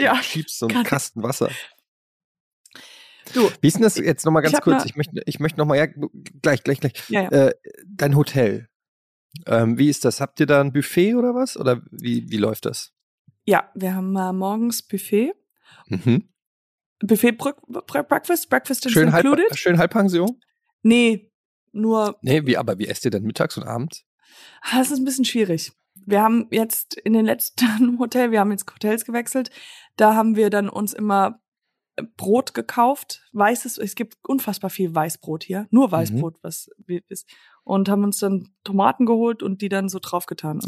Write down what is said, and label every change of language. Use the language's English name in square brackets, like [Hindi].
[German] Ja, du schiebst so einen Kasten Wasser. Du, wie ist denn das jetzt nochmal ganz kurz? Ich möchte nochmal, ja, gleich. Ja, ja. Dein Hotel, wie ist das? Habt ihr da ein Buffet oder was? Oder wie läuft das? Ja, wir haben morgens Buffet. Mhm. [English] Buffet, Breakfast is included. [German] Schön Halbpension? Nee, nur. Nee, wie esst ihr denn mittags und abends? Das ist ein bisschen schwierig. Wir haben jetzt in den letzten Hotel, wir haben jetzt Hotels gewechselt, da haben wir dann uns immer Brot gekauft, weißes, es gibt unfassbar viel Weißbrot hier, nur Weißbrot, was ist, und haben uns dann Tomaten geholt und die dann so draufgetan.